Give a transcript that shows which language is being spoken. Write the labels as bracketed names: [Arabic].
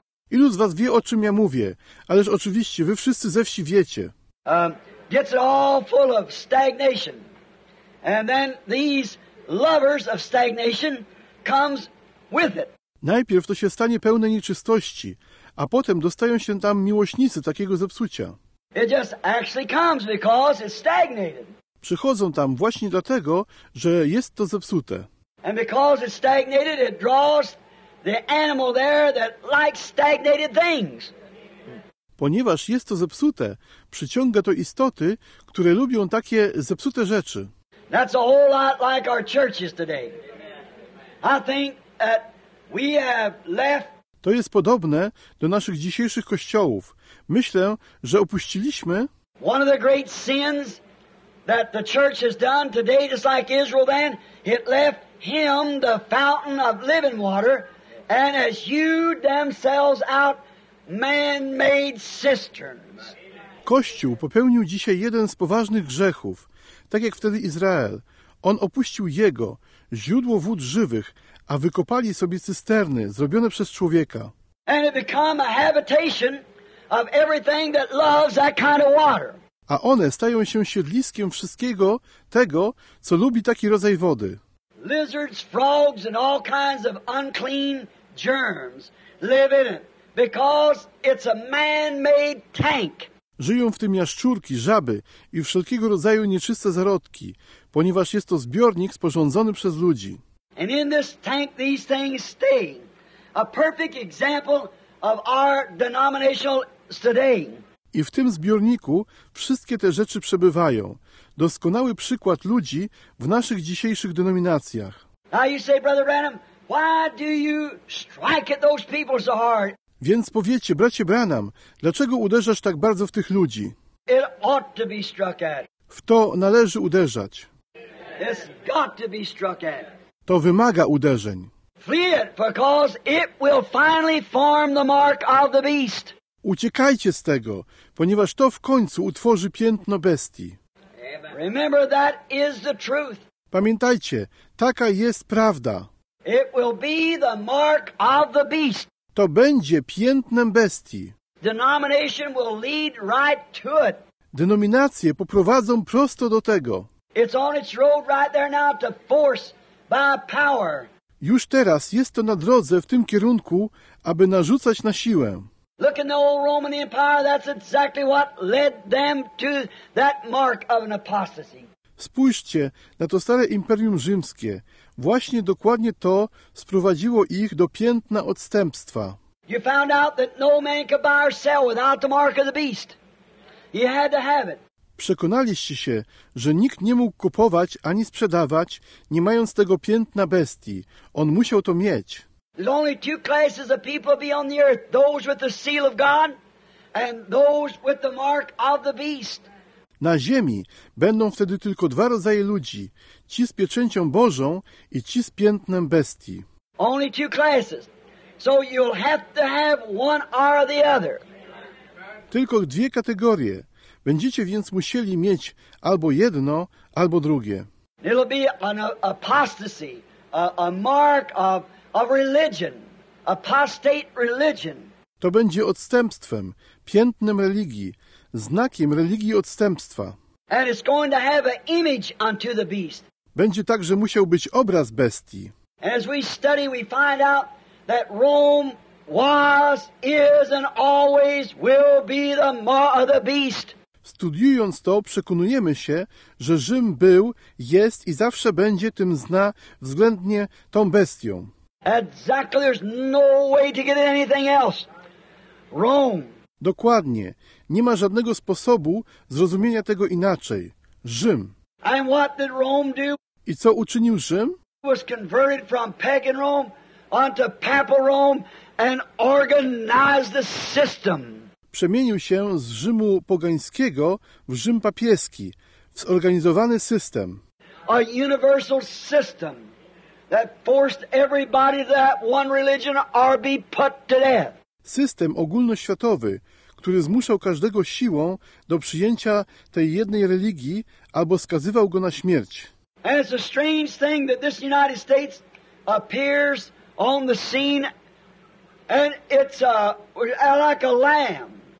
[Polish] Ilu z was wie, o czym ja mówię? Ależ oczywiście, wy wszyscy ze wsi wiecie. [English] Gets it all full of stagnation. And then these lovers of stagnation comes with it. [Polish] Najpierw to się stanie pełne nieczystości, a potem dostają się tam miłośnicy takiego zepsucia. [English] It just actually comes because it's stagnated. [Polish] Przychodzą tam właśnie dlatego, że jest to zepsute. [English] And because it's stagnated, it draws the animal there that likes stagnated things. [Polish] Ponieważ jest to zepsute, przyciąga to istoty, które lubią takie zepsute rzeczy. [English] That's a whole lot like our churches today. I think that we have left. [Polish] To jest podobne do naszych dzisiejszych kościołów. Myślę, że opuściliśmy [English] one of the great sins that the church has done today, just like Israel then, it left him the fountain of living water and has hewed themselves out man-made cisterns. [Polish] Kościół popełnił dzisiaj jeden z poważnych grzechów, tak jak wtedy Izrael. On opuścił jego, źródło wód żywych, a wykopali sobie cysterny, zrobione przez człowieka. [English] And it became a habitation of everything that loves that kind of water. [Polish] A one stają się siedliskiem wszystkiego tego, co lubi taki rodzaj wody. [English] Lizards, frogs and all kinds of unclean germs live in it because it's a man-made tank. [Polish] Żyją w tym jaszczurki, żaby i wszelkiego rodzaju nieczyste zarodki, ponieważ jest to zbiornik sporządzony przez ludzi. [English] And in this tank these things stay. A perfect example of our denominational today. [Polish] I w tym zbiorniku wszystkie te rzeczy przebywają. Doskonały przykład ludzi w naszych dzisiejszych denominacjach. [English] Now you say, Brother Branham, why do you strike at those people so hard? [Polish] Więc powiecie, bracie Branham, dlaczego uderzasz tak bardzo w tych ludzi? [English] It ought to be struck at. [Polish] W to należy uderzać. [English] It's got to be struck at. [Polish] To wymaga uderzeń. [English] Flee it, because it will finally form the mark of the beast. [Polish] Uciekajcie z tego, ponieważ to w końcu utworzy piętno bestii. [English] Remember, that is the truth. [Polish] Pamiętajcie, taka jest prawda. [English] It will be the mark of the beast. [Polish] To będzie piętnem bestii. [English] Denomination will lead right to it. [Polish] Denominacje poprowadzą prosto do tego. [English] It's on its road right there now to force by power. [Polish] Już teraz jest to na drodze w tym kierunku, aby narzucać na siłę. [English] Look in the old Roman Empire, that's exactly what led them to that mark of an apostasy. [Polish] Spójrzcie na to stare Imperium Rzymskie. Właśnie dokładnie to sprowadziło ich do piętna odstępstwa. [English] You found out that no man could buy or sell without the mark of the beast. He had to have it. [Polish] Przekonaliście się, że nikt nie mógł kupować ani sprzedawać, nie mając tego piętna bestii. On musiał to mieć. [English] There's only two classes of people be on the earth, those with the seal of God and those with the mark of the beast. [Polish] Na ziemi będą wtedy tylko dwa rodzaje ludzi, ci z pieczęcią Bożą i ci z piętnem bestii. [English] Only two classes. So you'll have to have one or the other. [Polish] Tylko dwie kategorie. Będziecie więc musieli mieć albo jedno, albo drugie. [English] It'll be an apostasy, a mark of religion, apostate religion. [Polish] To będzie odstępstwem, piętnem religii, znakiem religii odstępstwa. [English] And it's going to have an image unto the beast. [Polish] Będzie także musiał być obraz bestii. [English] As we study, we find out that Rome was, is and always will be the mark of the beast. [Polish] Studiując to, przekonujemy się, że Rzym był, jest i zawsze będzie tym zna względnie tą bestią. [English] Exactly, there's no way to get anything else. Rome. [Polish] Dokładnie. Nie ma żadnego sposobu zrozumienia tego inaczej. Rzym. [English] And what did Rome do? [Polish] I co uczynił Rzym? [English] Was converted from pagan Rome onto papal Rome and organized the system. [Polish] Przemienił się z Rzymu pogańskiego w Rzym papieski, w zorganizowany system. [English] A universal system that forced everybody to that one religion or be put to death. [Polish] System ogólnoświatowy, który zmuszał każdego siłą do przyjęcia tej jednej religii albo skazywał go na śmierć. [English] And it's a strange thing that this United States appears on the scene and it's like a lamb.